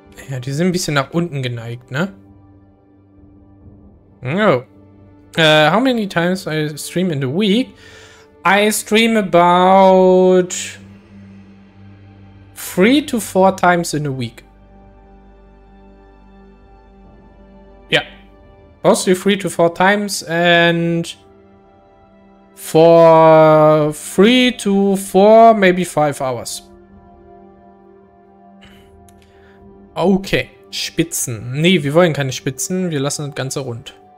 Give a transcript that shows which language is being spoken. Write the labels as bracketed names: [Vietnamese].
[German] Ja, die sind ein bisschen nach unten geneigt, ne? [English] No. How many times I stream in the week? I stream about 3 to 4 times in a week. [German] Ja. [English] Yeah. Mostly 3 to 4 times and for 3 to 4, maybe 5 hours. [German] Okay, Spitzen. Nee, wir wollen keine Spitzen, wir lassen das Ganze rund.